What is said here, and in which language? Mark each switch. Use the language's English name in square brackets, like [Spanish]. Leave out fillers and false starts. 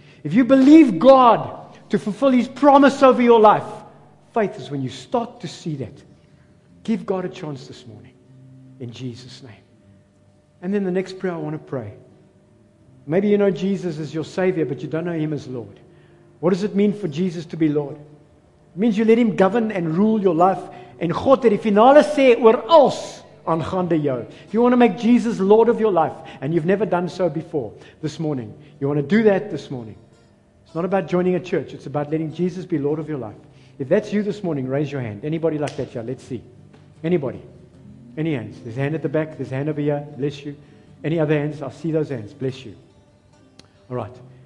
[English] If you believe God to fulfill His promise over your life, faith is when you start to see that. Give God a chance this morning in Jesus' name. And then the next prayer I want to pray. Maybe you know Jesus as your Savior, but you don't know Him as Lord. What does it mean for Jesus to be Lord? It means you let Him govern and rule your life. [Afrikaans] En God het die finale sê oor alles aangaande jou. [English] If you want to make Jesus Lord of your life, and you've never done so before, this morning, you want to do that this morning. It's not about joining a church. It's about letting Jesus be Lord of your life. If that's you this morning, raise your hand. Anybody like that? Yeah, let's see. Anybody? Any hands? There's a hand at the back. There's a hand over here. Bless you. Any other hands? I see those hands. Bless you. All right.